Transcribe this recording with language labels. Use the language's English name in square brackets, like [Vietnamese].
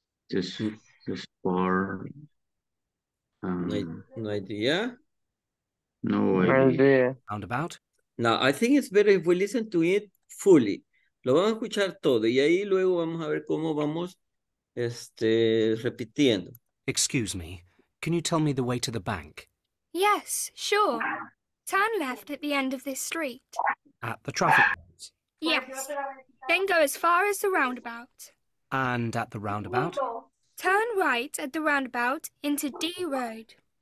[English] Just far. No idea. No idea. Roundabout. Now, I think it's better if we listen to it fully. [Spanish] Lo vamos a escuchar todo y ahí luego vamos a ver cómo vamos repitiendo. [English] Excuse me, can you tell me the way to the bank? Yes, sure. Turn left at the end of this street. At the traffic lights? Yes. Then go as far as the roundabout. And at the roundabout? Turn right at the roundabout into D Road.